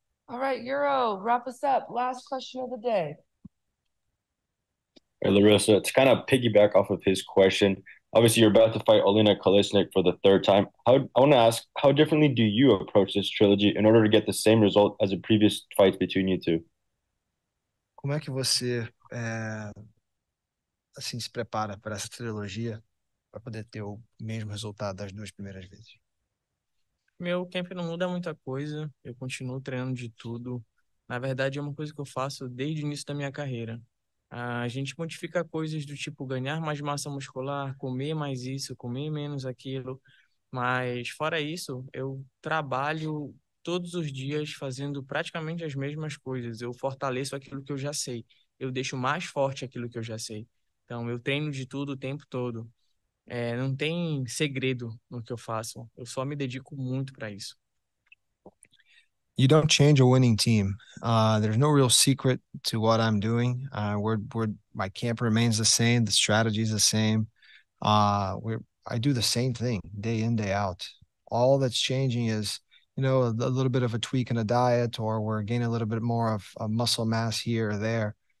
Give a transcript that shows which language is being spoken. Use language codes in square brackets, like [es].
[en] All right, Euro, wrap us up. Last question of the day. Hey, Larissa, to kind of piggyback off of his question, obviously, you're about to fight Olena Kolesnyk for the third time. I want to ask, how differently do you approach this trilogy in order to get the same result as the previous fights between you two? [pt] Como é que você assim se prepara para essa trilogia para poder ter o mesmo resultado das duas primeiras vezes? Meu camp não muda muita coisa. Eu continuo treinando de tudo. Na verdade, é uma coisa que eu faço desde o início da minha carreira. A gente modifica coisas do tipo ganhar mais massa muscular, comer mais isso, comer menos aquilo, mas fora isso, eu trabalho todos os dias fazendo praticamente as mesmas coisas. Eu fortaleço aquilo que eu já sei, eu deixo mais forte aquilo que eu já sei. Então, eu treino de tudo o tempo todo. Não tem segredo no que eu faço, eu só me dedico muito para isso. [en] You don't change a winning team. There's no real secret to what I'm doing. My camp remains the same. The strategy is the same. I do the same thing day in, day out. All that's changing is, you know, a little bit of a tweak in a diet, or we're gaining a little bit more of a muscle mass here or there.